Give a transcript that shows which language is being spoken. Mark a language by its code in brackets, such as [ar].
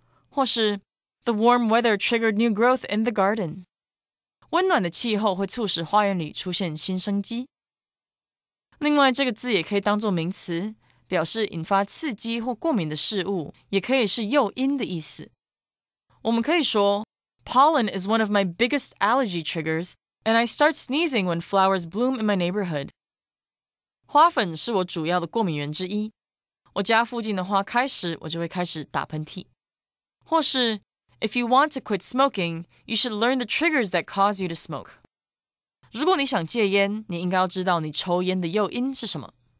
[zh] 或是 [en] ，The warm weather triggered new growth in the garden. [zh] 温暖的气候会促使花园里出现新生机。另外，这个字也可以当作名词。表示引发刺激或过敏的事物，也可以是诱因的意思。我们可以说 [en] ，Pollen is one of my biggest allergy triggers, and I start sneezing when flowers bloom in my neighborhood. [zh] 花粉是我主要的过敏源之一，我家附近的花开时，我就会开始打喷嚏。或是 [en] ，If you want to quit smoking, you should learn the triggers that cause you to smoke. [zh] 如果你想戒烟，你应该要知道你抽烟的诱因是什么。